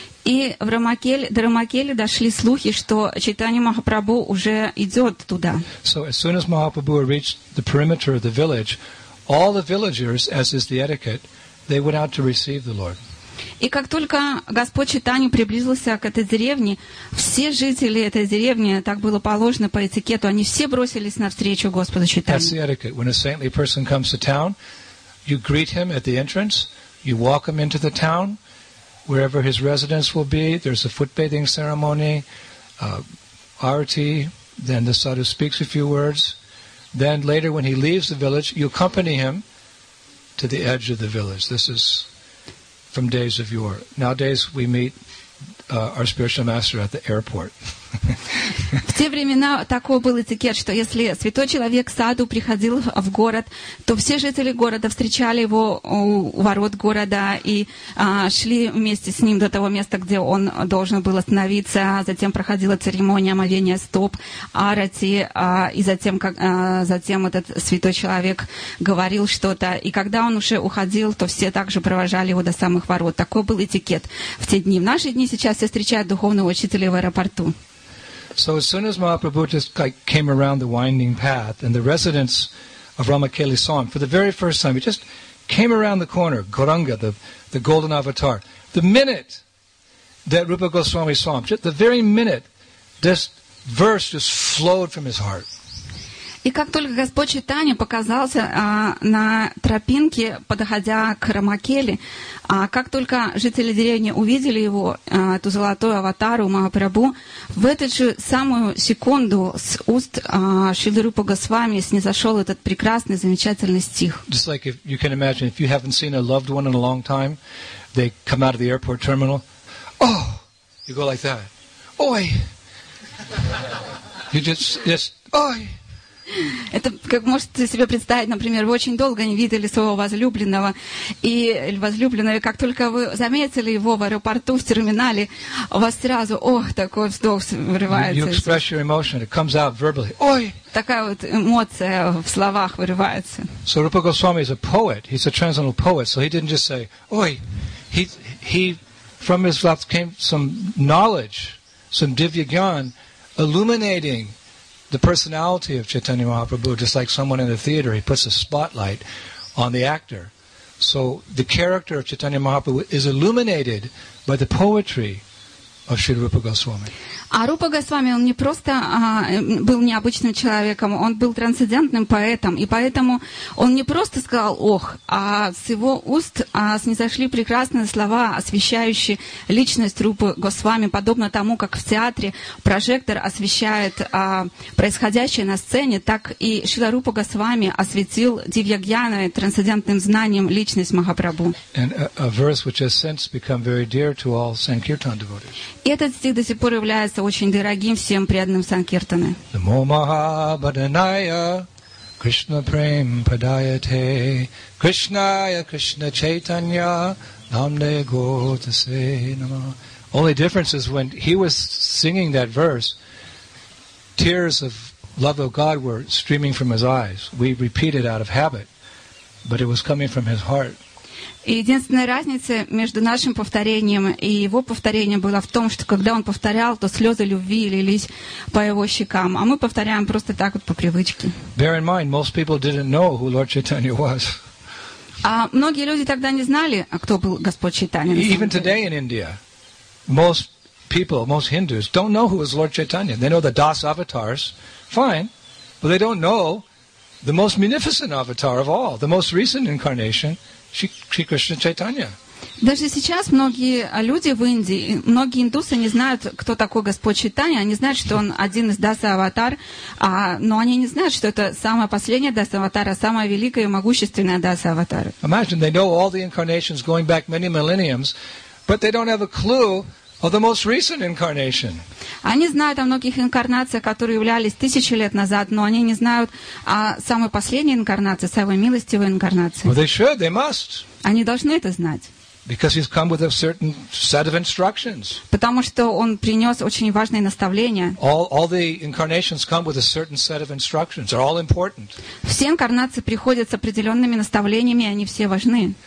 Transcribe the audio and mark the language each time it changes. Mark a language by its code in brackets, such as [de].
[ru] И в Рамакели, до Рамакели дошли слухи, что Чайтанья Махапрабху уже идет туда. [en] So as soon as Mahaprabhu reached the perimeter of the village, all the villagers, as is the etiquette, they went out to receive the Lord. [ru] И как только Господь Чайтанья приблизился к этой деревне, все жители этой деревни, так было положено по этикету, они все бросились навстречу Господу Чайтанье. [en] That's the etiquette. When a saintly person comes to town, you greet him at the entrance, you walk him into the town. Wherever his residence will be, there's a foot bathing ceremony, arati, then the sadhu speaks a few words. Then later when he leaves the village, you accompany him to the edge of the village. This is from days of yore. Nowadays we meet our spiritual master at the airport. [ru] В те времена такой был этикет, что если святой человек саду приходил в город, то все жители города встречали его у ворот города и шли вместе с ним до того места, где он должен был остановиться. Затем проходила церемония омовения стоп, арати, и затем, затем этот святой человек говорил что-то. И когда он уже уходил, то все также провожали его до самых ворот. Такой был этикет в те дни. В наши дни сейчас все встречают духовного учителя в аэропорту. [en] So as soon as Mahaprabhu just came around the winding path and the residents of Ramakeli saw him, for the very first time, he just came around the corner, Gauranga, the golden avatar. The minute that Rupa Goswami saw him, just the very minute, this verse just flowed from his heart. [ru] И как только Господь Чайтанья показался на тропинке, подходя к Рамакели, как только жители деревни увидели его, эту золотую аватару Махапрабху, в эту же самую секунду с уст Шрилы Рупы Госвами снизошел этот прекрасный, замечательный стих. [en] Just like if you can imagine, if you haven't seen a loved one in a long time, they come out of the airport terminal, oh, you go like that, ой, you just ой. [ru] Это, как можете себе представить, например, вы очень долго не видели своего возлюбленного, и возлюбленного, как только вы заметили его в аэропорту, в терминале, у вас сразу, ох, такой вздох вырывается. [en] You express your emotion, it comes out verbally. [ru] Ой! Такая вот эмоция в словах вырывается. [en] So Rupa Goswami is a poet, he's a transcendental poet, so he didn't just say, ой, he from his left came some knowledge, some divya gyan, illuminating the personality of Chaitanya Mahaprabhu, just like someone in the theater, he puts a spotlight on the actor. So the character of Chaitanya Mahaprabhu is illuminated by the poetry of Shri Rupa Goswami. [ru] А Рупа Госвами, он не просто был необычным человеком, он был трансцендентным поэтом, и поэтому он не просто сказал «ох», а с его уст снизошли прекрасные слова, освещающие личность Рупы Госвами, подобно тому, как в театре прожектор освещает происходящее на сцене, так и Шрила Рупа Госвами осветил Дивьягьяной трансцендентным знанием личность Махапрабху. [en] And a verse which has since become very dear to all Sankirtan devotees. [ru] И этот стих до сих пор является очень дорогим всем преданным санкиртаны. [sa] Намо Махабаданая Кришна Прем Падаяте Кришная Кришна Чайтанья Намне Готасе Нама. [en] Only difference is when he was singing that verse, tears of love of God were streaming from his eyes. We repeat it out of habit, but it was coming from his heart. [ru] И единственная разница между нашим повторением и его повторением была в том, что когда он повторял, то слезы любви лились по его щекам, а мы повторяем просто так вот по привычке. [en] Bear in mind, most people didn't know who Lord Chaitanya was. [ru] А многие люди тогда не знали, кто был Господь Чайтанья. [en] Even today in India, most people, most Hindus don't know who is Lord Chaitanya. They know the Das avatars, fine, but they don't know the most munificent avatar of all, the most recent incarnation. [ru] Шри Кришна Чайтанья. Даже сейчас многие люди в Индии, многие индусы не знают, кто такой Господь Чайтанья. Они знают, что он один из Даса-аватар, но они не знают, что это самая последняя Даса-аватар, а самая великая и могущественная Даса-аватар. [en] Imagine, they know all the incarnations going back many millenniums, but they don't have a clue of the most recent incarnation. [ru] Они знают о многих инкарнациях, которые являлись тысячи лет назад, но они не знают о самой последней инкарнации, самой милостивой инкарнации. [en] Well, they should, they must. [ru] Они должны это знать. [en] Because he's come with a certain set of instructions. [ru] Потому что он принес очень важные наставления. [en] All the incarnations come with a certain set of instructions. They're all important. [ru] Все инкарнации приходят с определенными наставлениями, и они все важны.